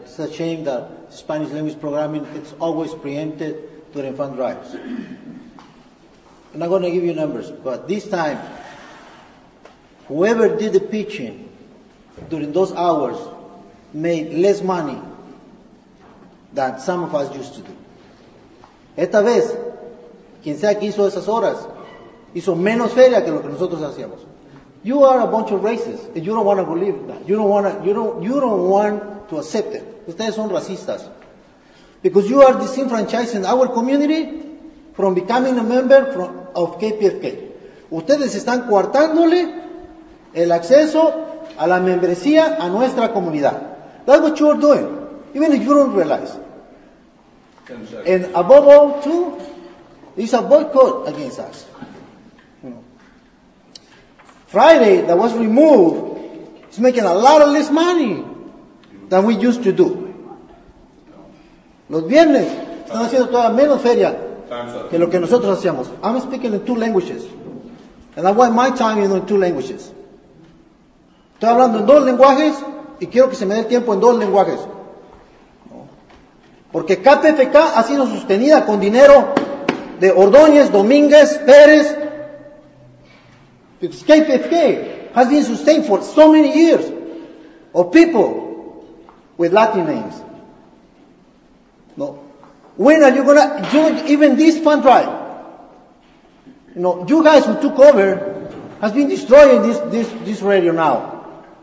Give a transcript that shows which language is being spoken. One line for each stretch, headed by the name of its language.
English: It's a shame that Spanish language programming is always preempted during fund drives. I'm not going to give you numbers, but this time, whoever did the pitching during those hours made less money than some of us used to do.
Spanish: Esta vez, quien sea que hizo esas horas, hizo menos feria que lo que nosotros hacíamos.
English: You are a bunch of racists, and you don't want to believe that. You don't want to accept it.
Spanish: Ustedes son racistas.
English: Because you are disenfranchising our community from becoming a member of KPFK.
Spanish: Ustedes están coartándole el acceso a la membresía a nuestra comunidad.
English: That's what you are doing, even if you don't realize. And above all, too, it's a boycott against us. Friday, that was removed, is making a lot of less money than we used to do.
Spanish: Los viernes están haciendo todavía menos feria que lo que nosotros hacíamos.
English: I'm speaking in two languages. And I want my time in two languages.
Spanish: Estoy hablando en dos lenguajes y quiero que se me dé tiempo en dos lenguajes. Porque KPFK ha sido sostenida con dinero de Ordóñez, Domínguez, Pérez.
English: Because KPFK has been sustained for so many years of people with Latin names. No. When are you going to do even this fund drive? No, you guys who took over has been destroying this radio now.